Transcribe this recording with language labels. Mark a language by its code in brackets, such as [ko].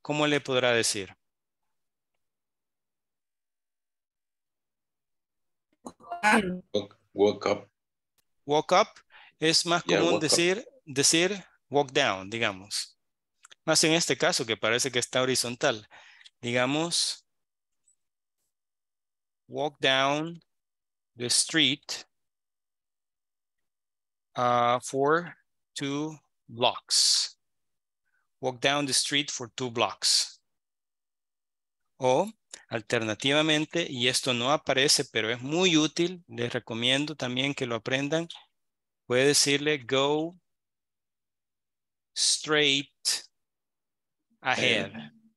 [es] ¿Cómo le podrá decir? [en] Walk up. Walk up. [es] Es más común decir walk down, digamos. Más en este caso que parece que está horizontal. Digamos, [en] walk down the street for two blocks. Walk down the street for two blocks. [es] O, alternativamente, y esto no aparece, pero es muy útil, les recomiendo también que lo aprendan, puede decirle [en] go straight ahead.